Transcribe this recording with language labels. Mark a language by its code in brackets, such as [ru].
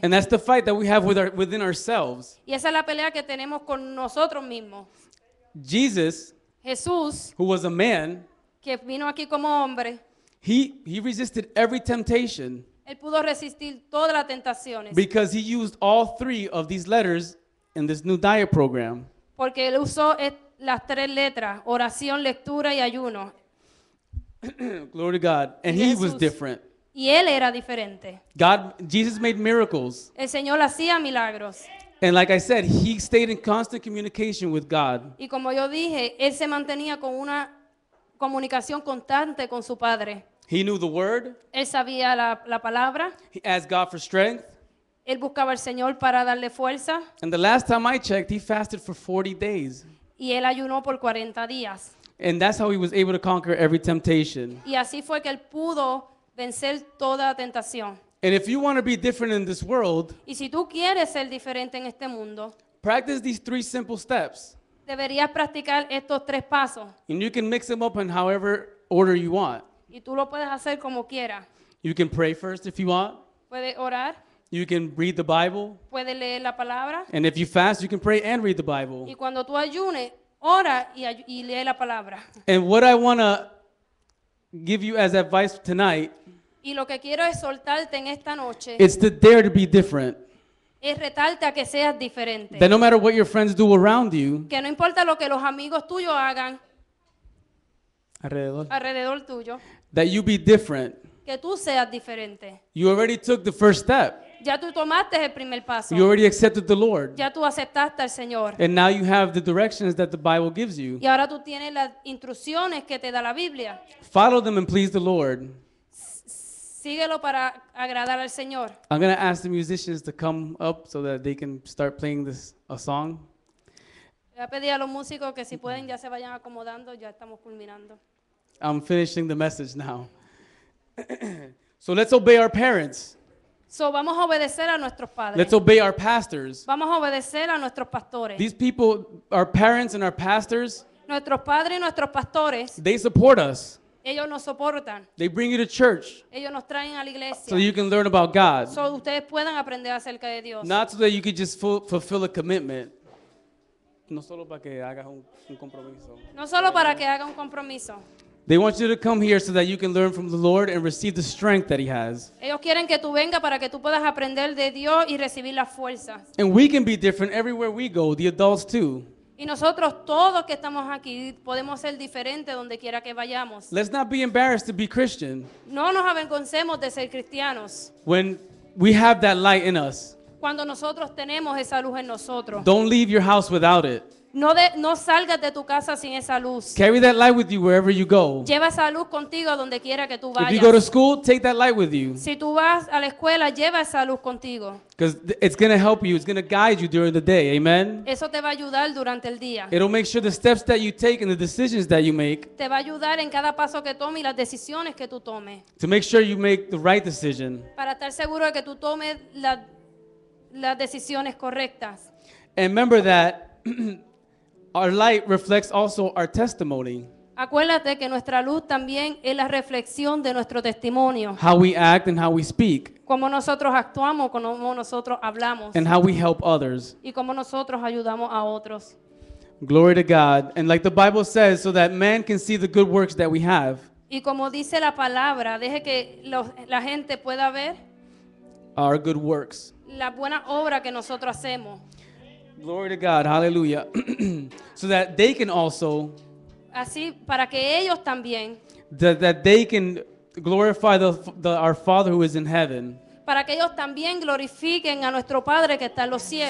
[en] And that's the fight that we have within ourselves. [es] Y esa es la pelea que tenemos con nosotros mismos. [en] Jesus, [es] Jesús, [en] who was a man, [es] que vino aquí como hombre, [en] he resisted every temptation. [es] Él pudo resistir todas las tentaciones. [en] Because he used all three of these letters in this new diet program. [es] Porque él usó las tres letras, oración, lectura y ayuno. [en] Glory to God. And [es] y [en] he Jesús. Was different. [es] Y él era diferente. [en] God, Jesus made miracles. [es] El Señor hacía milagros. [en] And like I said, he stayed in constant communication with God. [es] Y como yo dije, él se mantenía con una comunicación constante con su padre. [en] He knew the word. [es] Él sabía la palabra. [en] He asked God for strength. [es] Él buscaba al Señor para darle fuerza. [en] And the last time I checked, he fasted for 40 days. [es] Y él ayunó por 40 días. [en] And that's how he was able to conquer every temptation. [es] Y así fue que él pudo vencer toda tentación. [en] And if you want to be different in this world, [es] y si tú quieres ser diferente en este mundo, [en] practice these three simple steps. [es] Deberías practicar estos tres pasos. [en] And you can mix them up in however order you want. [es] Y tú lo puedes hacer como quieras. [en] You can pray first if you want. [es] Puedes orar. [en] You can read the Bible. [es] Puedes leer la palabra. [en] And if you fast, you can pray and read the Bible. [es] Y cuando tú ayunes, ora y lee la palabra. [en] And what I want to give you as advice tonight, [es] y lo que quiero es soltarte en esta noche. [en] It's to dare to be different. [es] Es retarte a que seas diferente. [en] That no matter what your friends do around you. [es] Que no importa lo que los amigos tuyos hagan. Alrededor tuyo. [en] That you be different. [es] Que tú seas diferente. [en] You already took the first step. [es] Ya tú tomaste el primer paso. [en] You already accepted the Lord. [es] Ya tú aceptaste al Señor. [en] And now you have the directions that the Bible gives you. [es] Y ahora tú tienes las instrucciones que te da la Biblia. [en] Follow them and please the Lord. [es] Síguelo para agradar al Señor. [en] I'm going to ask the musicians to come up so that they can start playing a song. [es] Voy a pedir a los músicos que si pueden ya se vayan acomodando, ya estamos culminando. [en] I'm finishing the message now. So let's obey our parents. [es] So vamos a obedecer a nuestros padres. [en] Let's obey our pastors. [es] Vamos a obedecer a nuestros pastores. [en] These people, our parents and our pastors, [es] Nuestros padres y nuestros pastores. [en] They support us. [es] Ellos nos soportan. [en] They bring you to church. [es] Ellos nos traen a la iglesia. [en] So you can learn about God. [es] So ustedes puedan aprender acerca de Dios. [en] Not so that you could just fulfill a commitment. [es] No solo para que hagas un compromiso. No solo para que haga un compromiso. [en] They want you to come here so that you can learn from the Lord and receive the strength that He has. [es] Ellos quieren que tú vengas para que tú puedas aprender de Dios y recibir las fuerzas. [en] And we can be different everywhere we go, the adults too. [es] Y nosotros todos que estamos aquí podemos ser diferentes donde quiera que vayamos. [en] Let's not be embarrassed to be Christian. [es] No nos avergoncemos de ser cristianos. [en] When we have that light in us. [es] Cuando nosotros tenemos esa luz en nosotros. [en] Don't leave your house without it. [es] No salgas de tu casa sin esa luz. [en] Carry that light with you wherever you go. [es] Lleva esa luz contigo donde quiera que tú vayas. [en] If you go to school, take that light with you. [es] Si tú vas a la escuela, lleva esa luz contigo. [en] Because it's going to help you. It's going to guide you during the day. Amen. [es] Eso te va a ayudar durante el día. [en] It'll make sure the steps that you take and the decisions that you make. [es] Te va a ayudar en cada paso que tomes y las decisiones que tú tomes. [en] To make sure you make the right decision. [es] Para estar seguro de que tú tomes las decisiones correctas. [en] And remember that. Our light reflects also our testimony. [es] Acuérdate que nuestra luz también es la reflexión de nuestro testimonio. [en] How we act and how we speak. [es] Cómo nosotros actuamos, cómo nosotros hablamos. [en] And how we help others. [es] Y cómo nosotros ayudamos a otros. [en] Glory to God. And like the Bible says, so that man can see the good works that we have. [es] Y como dice la palabra, deje que la gente pueda ver [en] our good works. [es] La buena obra que nosotros hacemos. [en] Glory to God, hallelujah. So that they can also, [es] así para que ellos también, [en] that they can glorify our Father who is in heaven. [es] Para que ellos también glorifiquen a nuestro Padre que está en los cielos.